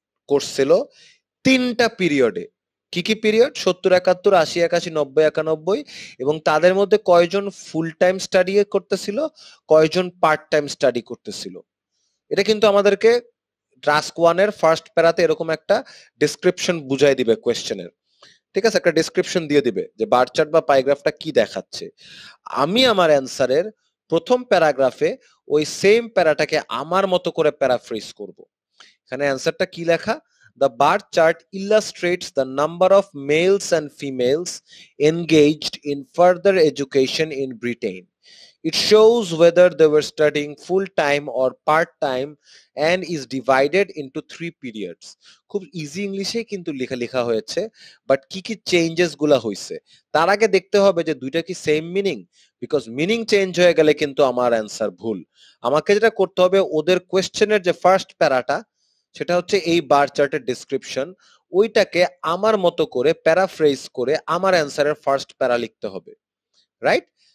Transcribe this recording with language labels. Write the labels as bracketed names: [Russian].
[Bangla] করছিল তিনটা পিরিয়ডে, কি কি পিরিয়ড, 70, 71, 80, 81, 90, এবং তাদের মধ্যে কয়জন ফুল টাইম স্টাডি করতেছিল, কয়জন পার্ট টাইম স্টাডি করতেছিল, এটা কিন্তু আমাদেরকে টাস্ক ওয়ান এর ফার্স্ট প্যারাতে এরকম একটা ডিসক্রিপশন বুঝাই দিবে কোয়েশ্চেনের, ঠিক আছে? একটা ডিসক্রিপশন দিয়ে দিবে যে বার চার্ট বা পাইগ্রাফটা কি দেখাচ্ছে। আমি আমার অ্যান্সারের প্রথম প্যারাগ্রাফে ওই সেম প্যারাটাকে আমার মতো করে প্যারাফ্রেজ করব। এখানে অ্যান্সারটা কি লেখা, [English] the bar chart illustrates the number of males and females engaged in further education in Britain. It shows whether they were studying full time or part time and is divided into three periods. [Bangla] খুব easy ইংলিশে কিন্তু লেখা লেখা হয়েছে, but কি কি changes গুলো হইছে তার আগে দেখতে হবে যে দুইটা কি same meaning, because meaning change হয়ে গেলে কিন্তু আমার অ্যান্সার ভুল। আমাকে যেটা করতে হবে ওদের কোয়েশ্চেনের যে ফার্স্ট প্যারাটা সেটা হচ্ছে এই বার চার্টের ডিসক্রিপশন, ওইটাকে আমার মতো করে প্যারাফ্রেজ করে আমার অ্যান্সারের ফার্স্ট প্যারা লিখতে হবে, রাইট?